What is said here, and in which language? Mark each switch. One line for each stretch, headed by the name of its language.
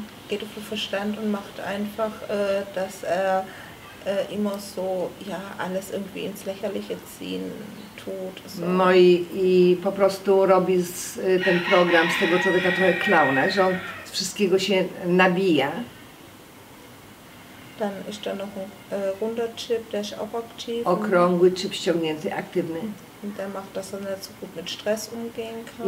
German: Geht auf den Verstand und macht einfach, dass er immer so, ja, alles irgendwie ins Lächerliche ziehen tut. So.
Polish: No i po prostu robi ten program z tego człowieka trochę klauna, że on z wszystkiego się nabija.
German: Dann ist da noch ein runder Chip, der ist auch aktiv.
Polish: Okrągły Chip ściągnięty, aktywny.
German: Und der macht, dass er nicht so gut mit Stress umgehen kann.